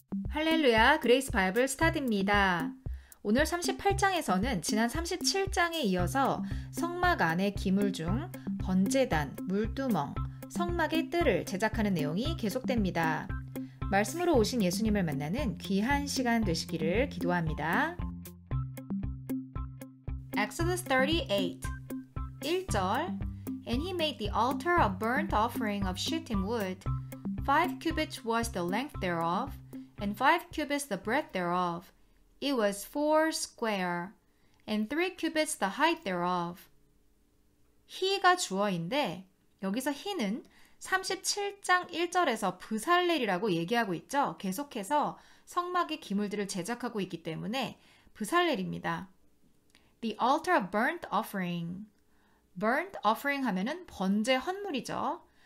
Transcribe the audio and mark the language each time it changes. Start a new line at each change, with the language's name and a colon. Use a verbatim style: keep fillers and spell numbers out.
Korean: 할렐루야, 그레이스 바이블 스타디입니다. 오늘 삼십팔 장에서는 지난 삼십칠 장에 이어서 성막 안의 기물 중 번제단, 물두멍, 성막의 뜰을 제작하는 내용이 계속됩니다. 말씀으로 오신 예수님을 만나는 귀한 시간 되시기를 기도합니다.
English: Exodus thirty-eight
Korean: 일 절
English: And he made the altar of burnt offering of shittim wood. Five cubits was the length thereof, and five cubits the breadth thereof. It was four square, and three cubits the height thereof.
Korean: 히가 주어인데 여기서 히는 삼십칠 장 일 절에서 브살렐이라고 얘기하고 있죠. 계속해서 성막의 기물들을 제작하고 있기 때문에 브살렐입니다.
English: The altar of burnt offering. burnt offering
Korean: 하면은 번제 헌물이죠.